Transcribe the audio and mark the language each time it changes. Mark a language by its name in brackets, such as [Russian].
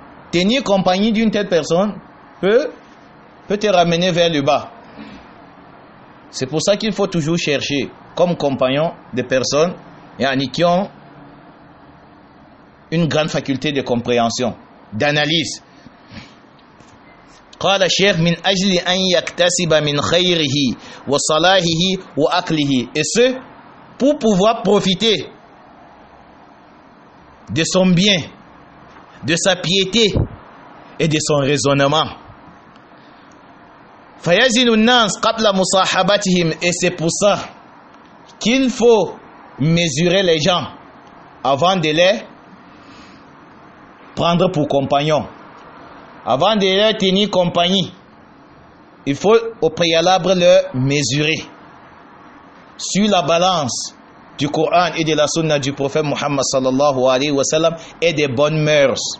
[French] Tenir compagnie d'une telle personne peut te ramener vers le bas. C'est pour ça qu'il faut toujours chercher comme compagnon des personnes qui ont une grande faculté de compréhension, d'analyse. [Arabic] قال الشيخ من أجل أن يكتسب من خيره وصلاحه وأكله. [French] Et ce, pour pouvoir profiter de son bien, de sa piété et de son raisonnement. [Arabic] فيزن الناس قبل مصاحبتهم. [French] Et c'est pour ça qu'il faut mesurer les gens avant de les prendre pour compagnons. Avant de leur tenir compagnie, il faut au préalable leur mesurer sur la balance du Coran et de la Sunna du prophète Muhammad sallallahu alayhi wa sallam et des bonnes mœurs.